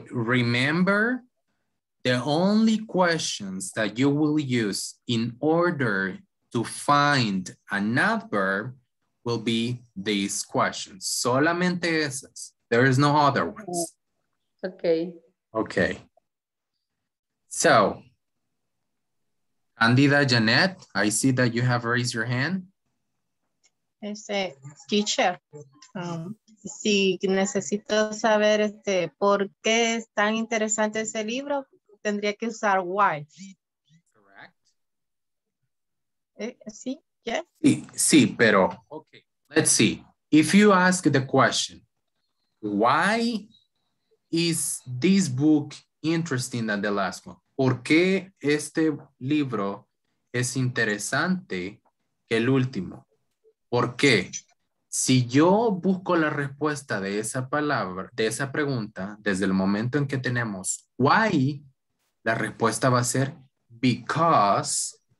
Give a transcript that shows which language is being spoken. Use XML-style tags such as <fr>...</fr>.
<en>Remember, the only questions that you will use in order to find an adverb will be these questions.</en> <es>Solamente esas.</es> <en>There is no other ones. Okay. Okay. So, Candida Janet, I see that you have raised your hand.</en> <es>Teacher, si necesito saber por qué es tan interesante ese libro, tendría que usar why.</es> <en>Correct.</en> <es>Sí, yes. Sí, sí, pero,</es> <en>okay, let's see. If you ask the question, why is this book interesting than the last one?</en> <es>¿Por qué este libro es interesante que el último? ¿Por qué? Si yo busco la respuesta de esa palabra, de esa pregunta, desde el momento en que tenemos why, la respuesta va a ser because.</es>